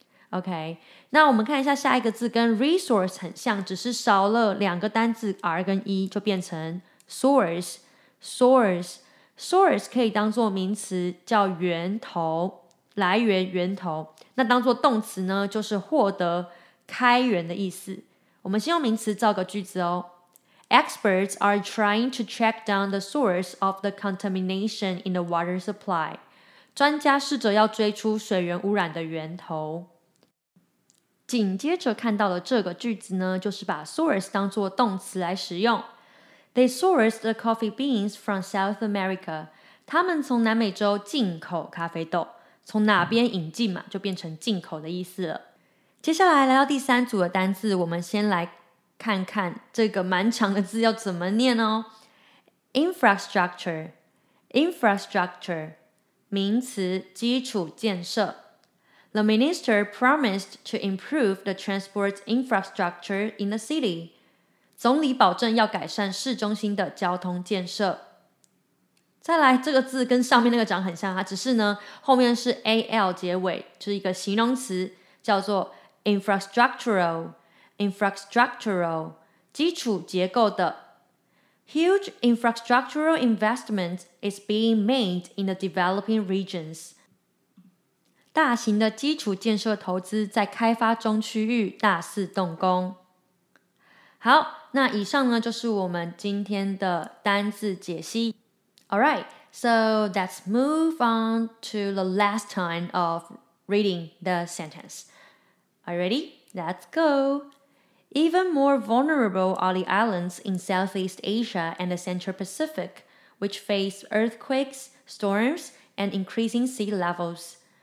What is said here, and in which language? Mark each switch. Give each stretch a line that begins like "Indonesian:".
Chinese: OK， 那我们看一下下一个字跟 resource 很像，只是少了两个单字 R 跟 E， 就变成 source 可以当做名词叫源头、来源、源头，那当做动词呢就是获得、开源的意思。我们先用名词造个句子哦。
English: Experts are trying to track down the source of the contamination in the water supply.
Chinese: 专家试着要追出水源污染的源头。紧接着看到的这个句子呢，就是把 source 当作动词来使用。
English: They source the coffee beans from South America.
Chinese: 他们从南美洲进口咖啡豆，从哪边引进嘛，就变成进口的意思了。接下来来到第三组的单字，我们先来看看这个蛮长的字要怎么念哦。 Infrastructure, infrastructure, 名词，基础建设。
English: The minister promised to improve the transport infrastructure in the city.
Chinese: 总理保证要改善市中心的交通建设。再来，这个字跟上面那个长很像，它只是呢，后面是 al 结尾，是一个形容词，叫做 infrastructural, infrastructural, 基础结构的。
English: Huge infrastructural investment is being made in the developing regions.
Chinese: 大型的基础建设投资在开发中区域大肆动工。好，那以上呢，就是我们今天的单字解析。
English: Alright, so let's move on to the last time of reading the sentence. Are you ready? Let's go! Even more vulnerable are the islands in Southeast Asia and the Central Pacific, which face earthquakes, storms, and increasing sea levels.